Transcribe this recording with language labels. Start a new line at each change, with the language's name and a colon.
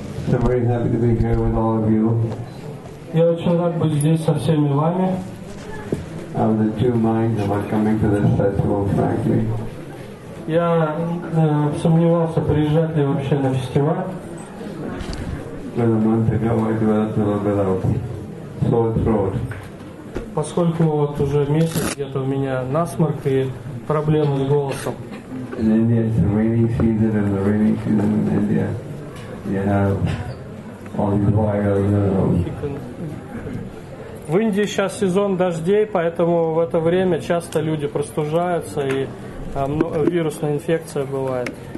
English: So I'm very happy to be here with all of you.
Russian: Я очень рад быть здесь со всеми вами.
English: Of the two minds about coming to this festival, frankly.
Russian: Я сомневался, приезжать ли вообще на фестиваль.
English: But a month ago I developed a little bit of sore throat.
Russian: Поскольку вот уже месяц где-то у меня насморк и проблемы с голосом.
English: In India, it's the rainy season, and the rainy season in India, you have all these wires.
Russian: В Индии сейчас сезон дождей, поэтому в это время часто люди простужаются и вирусная инфекция бывает.